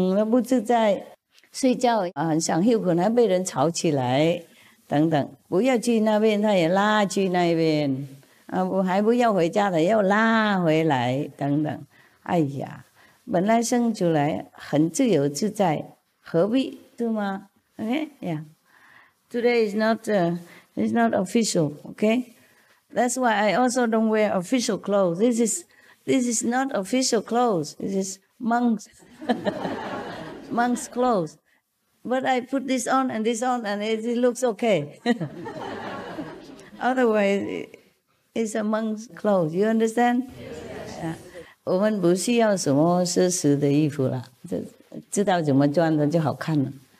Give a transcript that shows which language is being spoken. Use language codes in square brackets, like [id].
[zh] 不自在，睡觉很想休困，还被人吵起来，等等，不要去那边，他也拉去那边，不还不要回家的，要拉回来，等等，哎呀，本来生出来很自由自在，何必？ [en] Too much, okay? Yeah. Today is not official, okay? That's why I also don't wear official clothes. This is not official clothes. This is monk's clothes. But I put this on and this on and it looks okay. Otherwise, it's a monk's clothes. You understand? Yes. [zh] 我们不需要什么奢侈的衣服了，知道怎么穿的就好看了。